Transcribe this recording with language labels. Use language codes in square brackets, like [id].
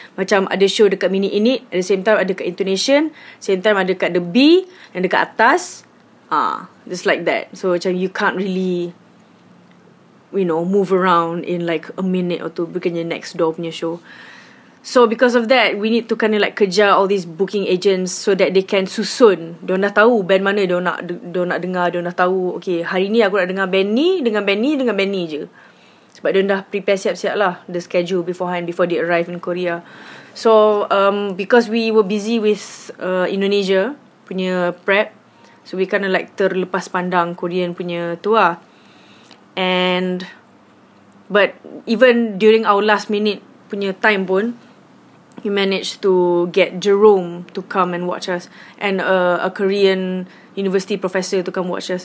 [ms] Macam ada [en] show dekat Mini Init, at the same time [ms] ada dekat [en] Intonation, same time ada dekat The B and [ms] dekat atas, [en] just like that. So macam you can't really, you know, move around in like a minute or two, bukannya next door punya show. So because of that, we need to kind of like kejar all these booking agents so that they can susun. [ms] Diorang dah tahu band mana diorang nak dengar. Diorang dah tahu, okay, hari ni aku nak dengar band ni, dengan band ni, dengan band ni je. Sebab diorang dah [en] prepare [ms] siap-siap lah [en] the schedule beforehand, before they arrive in Korea. So because we were busy with Indonesia punya prep, so we kind of like [ms] terlepas pandang [en] Korean punya tu lah. And but even during our last minute punya time pun, we managed to get Jerome to come and watch us, and a Korean university professor to come watch us.